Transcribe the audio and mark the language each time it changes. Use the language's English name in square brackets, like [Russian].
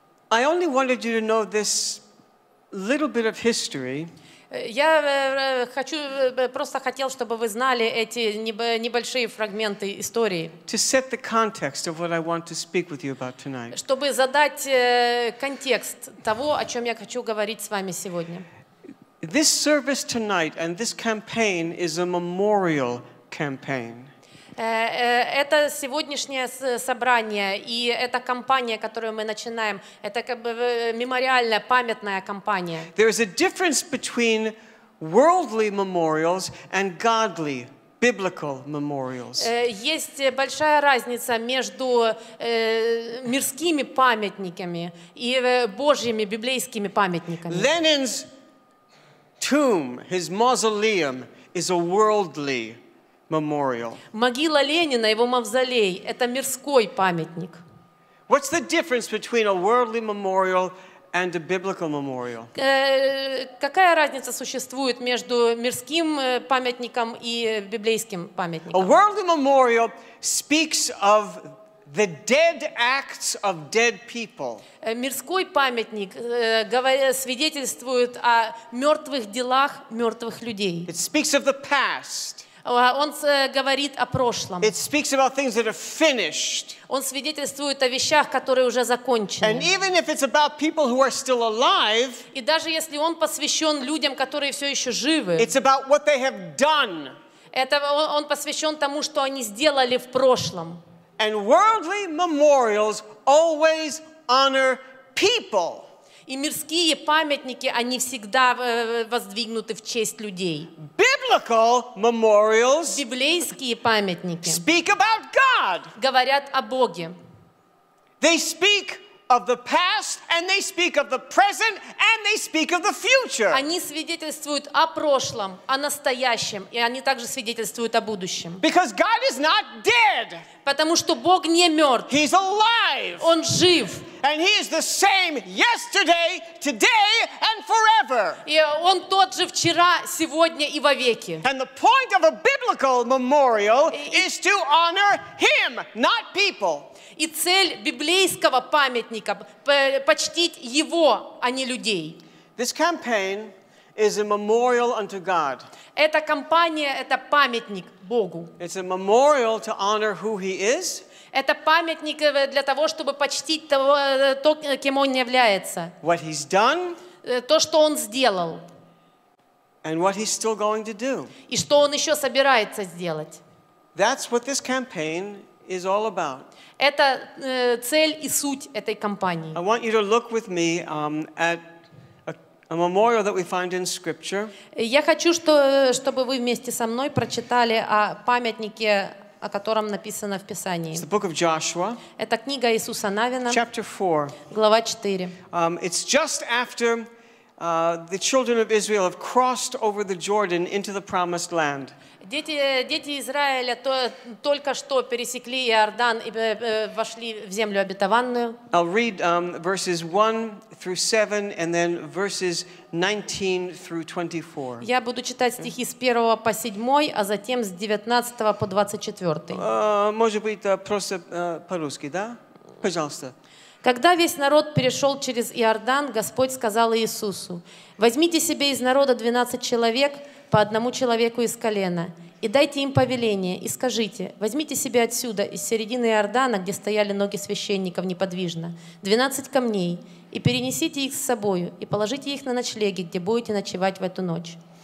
[English] I only wanted you to know this little bit of history. [Russian] Я хочу, просто хотел, чтобы вы знали эти небольшие фрагменты истории. [English] To set the context of what I want to speak with you about tonight. [Russian] Чтобы задать контекст того, о чем я хочу говорить с вами сегодня. [English] This service tonight and this campaign is a memorial campaign. [Russian] Это сегодняшнее собрание и эта кампания, которую мы начинаем, это как бы мемориальная, памятная кампания. [English] There is a difference between worldly memorials and godly biblical memorials. [Russian] Есть большая разница между мирскими памятниками и Божьими библейскими памятниками. [English] Lenin's tomb, his mausoleum, is a worldly memorial. [Russian] Могила Ленина, его мавзолей, это мирской памятник. [English] What's the difference between a worldly memorial and a biblical memorial? [Russian] Какая разница существует между мирским памятником и библейским памятником? [English] A worldly memorial speaks of the dead acts of dead people. [Russian] Мирской памятник свидетельствует о мертвых делах мертвых людей. [English] It speaks of the past. [Russian] Он говорит о прошлом. [English] It speaks about things that are finished. [Russian] Он свидетельствует о вещах, которые уже закончены. [English] And even if it's about people who are still alive, [Russian] и даже если он посвящен людям, которые все еще живы, [English] it's about what they have done. [Russian] Это он посвящен тому, что они сделали в прошлом. [English] And worldly memorials always honor people. [Russian] И мирские памятники, они всегда воздвигнуты в честь людей. [English] Biblical memorials, [Russian] библейские памятники, [English] speak about God. [Russian] Говорят о Боге. [English] They speak of the past, and they speak of the present, and they speak of the future. [Russian] Они свидетельствуют о прошлом, о настоящем, и они также свидетельствуют о будущем. [English] Because God is not dead. [Russian] Потому что Бог не мертв. [English] He's alive. [Russian] Он жив. [English] And he is the same yesterday, today, and forever. [Russian] И он тот же вчера, сегодня и вовеки. [English] And the point of a biblical memorial is to honor him, not people. [Russian] И цель библейского памятника — почтить его, а не людей. [English] This campaign is a memorial unto God. [Russian] Эта кампания — это памятник Богу. [English] It's a memorial to honor who he is. [Russian] Это памятник для того, чтобы почтить того, то, кем он является. [English] What he's done. [Russian] То, что он сделал. [English] And what he's still going to do. [Russian] И что он еще собирается сделать. [English] That's what this campaign is all about. [Russian] Это цель и суть этой кампании. [English] I want you to look with me at a memorial that we find in Scripture. [Russian] Я хочу, чтобы вы вместе со мной прочитали о памятнике, о котором написано в Писании. [English] It's the book of Joshua. [Russian] Это книга Иисуса Навина. [English] Chapter 4. [Russian] Глава 4. [English] It's just after the children of Israel have crossed over the Jordan into the promised land. [Russian] Дети Израиля только что пересекли Иордан и вошли в землю обетованную. [English] I'll read verses 1 through 7 and then verses 19 through 24. [Russian] Я буду читать стихи с 1 по 7, а затем с 19 по 24. Может быть, просто по-русски, да? Пожалуйста. Когда весь народ перешел через Иордан, Господь сказал Иисусу: «Возьмите себе из народа 12 человек, по одному человеку из колена, и дайте им повеление, и скажите: возьмите себе отсюда, из середины Иордана, где стояли ноги священников неподвижно, 12 камней, и перенесите их с собою, и положите их на ночлеги, где будете ночевать в эту ночь».